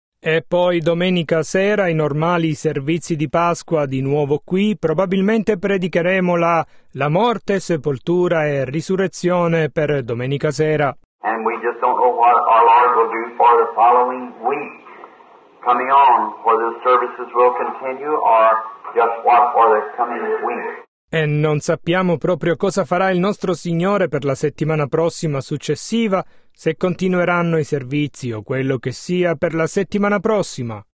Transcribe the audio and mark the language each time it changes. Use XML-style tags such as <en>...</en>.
<it>E poi domenica sera i normali servizi di Pasqua di nuovo qui, probabilmente predicheremo la morte, sepoltura e risurrezione per domenica sera.</it> <en>And we just don't know what our Lord will do for the following week. Coming on, whether the services will continue or just what for the coming week.</en> <it>E non sappiamo proprio cosa farà il nostro Signore per la settimana prossima successiva, se continueranno i servizi o quello che sia per la settimana prossima.</it>